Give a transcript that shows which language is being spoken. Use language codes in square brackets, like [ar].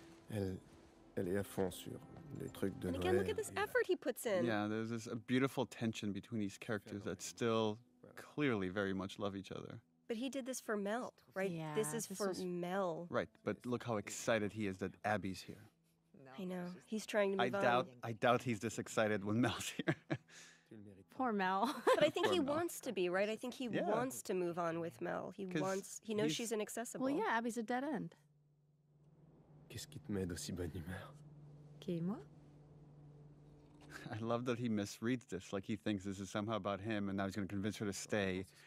[fr] Elle est à fond sur les trucs de [en] Noël. And again, look at this effort he puts in. Yeah, there's this beautiful tension between these characters that still clearly very much love each other. But he did this for Mel, right? Yeah, this is for Mel. Right, but look how excited he is that Abby's here. I know, he's trying to move I doubt he's this excited when Mel's here. Poor Mel. But I think wants to be, right? I think he wants to move on with Mel. He knows she's inaccessible. Well, yeah, Abby's a dead end. [fr] Qu'est-ce qui te met d'aussi bonne humeur? Qui, moi? [en] I love that he misreads this. Like, he thinks this is somehow about him, and now he's going to convince her to stay.